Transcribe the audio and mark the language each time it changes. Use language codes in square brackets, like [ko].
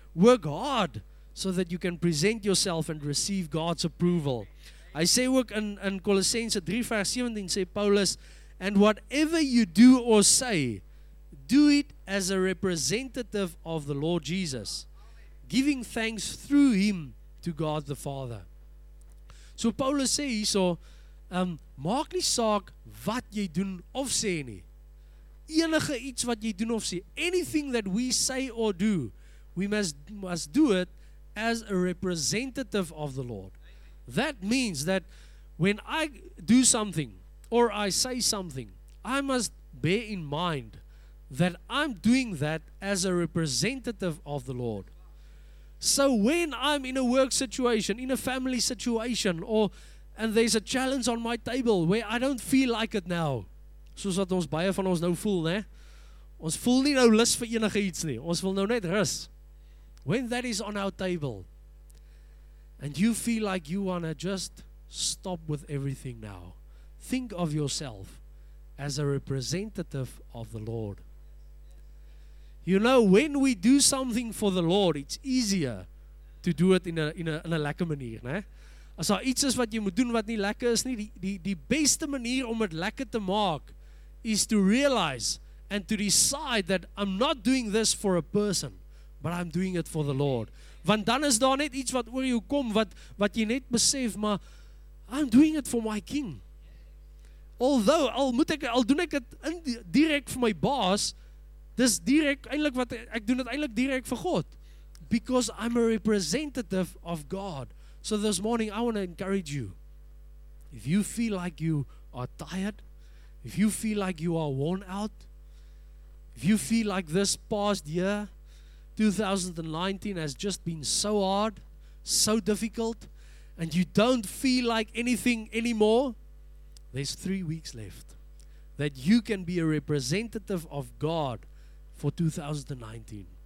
[en] Work hard so that you can present yourself and receive God's approval. [af] Hy sê ook in Kolossense 3 vers 17, sê Paulus, [en] and whatever you do or say, do it as a representative of the Lord Jesus, giving thanks through Him to God the Father. [af] So Paulus sê hierso, maak nie saak wat jy doen of sê nie. Enige iets wat jy doen of sê, [en] anything that we say or do, we must do it as a representative of the Lord. That means that when I do something or I say something, I must bear in mind that I'm doing that as a representative of the Lord. So when I'm in a work situation, in a family situation, or and there's a challenge on my table where I don't feel like it now, [af] soos wat ons baie van ons nou voel, né? Ons voel nie nou lus vir enige iets nie. Ons wil nou net rus. [en] When that is on our table, and you feel like you want to just stop with everything now, think of yourself as a representative of the Lord. You know, when we do something for the Lord, it's easier to do it in a [af] lekker manier, né? As daar iets is wat jy moet doen wat nie lekker is nie, die beste manier om het lekker te maak is [en] to realize and to decide that I'm not doing this for a person, but I'm doing it for the Lord. [af] Want dan is daar net iets wat oor jou kom, wat jy net besef, maar [en] I'm doing it for my King. Although, [af] al doen ek het direct vir my baas, dis direct, eindelijk wat, ek doen het eindelijk direct vir God. [en] Because I'm a representative of God. So this morning, I want to encourage you. If you feel like you are tired, if you feel like you are worn out, if you feel like this past year, 2019 has just been so hard, so difficult, and you don't feel like anything anymore, there's 3 weeks left that you can be a representative of God for 2019.